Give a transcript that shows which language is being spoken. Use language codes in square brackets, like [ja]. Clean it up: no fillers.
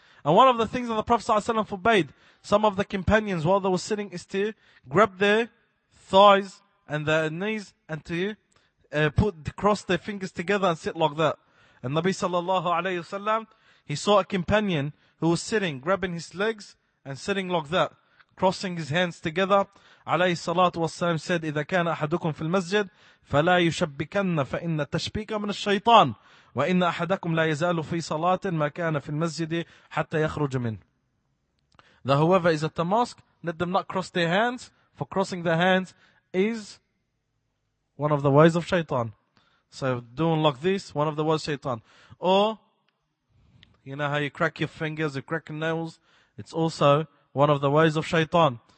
[en] And one of the things that the Prophet ﷺ forbade some of the companions while they were sitting is to grab their thighs and their knees and to cross their fingers together and sit like that. And Nabi sallallahu alayhi wasallam, he saw a companion who was sitting, grabbing his legs and sitting like that, crossing his hands together. [ar] Alayhi salatu wassalam said, إِذَا كَانَ أَحَدُكُمْ فِي الْمَسْجِدِ فَلَا يُشَبِّكَنَّ فَإِنَّ تَشْبِيكَ مِنَ الشَّيْطَانِ وَإِنَّ أَحَدَكُمْ لَا يَزَالُ فِي صَلَاةٍ مَا كَانَ فِي الْمَسْجِدِ حَتَّى يَخْرُجُ مِنْهِ. [en] That whoever is at the mosque, let them not cross their hands, for crossing their hands is one of the ways of shaitan. So doing like this, one of the ways of shaitan. Or, you know how you crack your fingers, you crack your nails, it's also one of the ways of shaitan.